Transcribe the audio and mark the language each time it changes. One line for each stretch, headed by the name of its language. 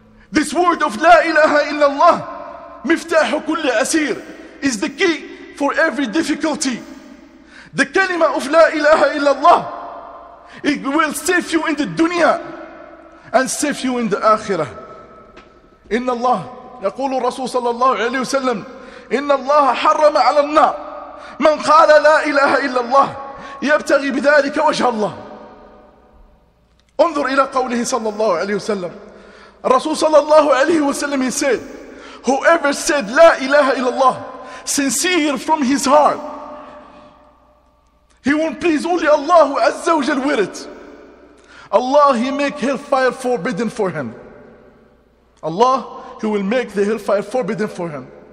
English: This word of La ilaha illallah, miftahu kulli asir, is the key for every difficulty. The kalima of La ilaha illallah, it will save you in the dunya and save you in the akhirah.
Arabic: Inna Allah, يقول الرسول صلى الله عليه وسلم, إن الله حرم على النار من قال لا إله إلا الله يبتغي بذلك وجه الله. انظر إلى قوله صلى الله عليه وسلم.
English: الرسول صلى الله عليه وسلم, he said, whoever said لا إله إلا الله sincere from his heart, he won't please only Allah عز وجل with it. Allah, he make hellfire forbidden for him. Allah, he will make the hellfire forbidden for him.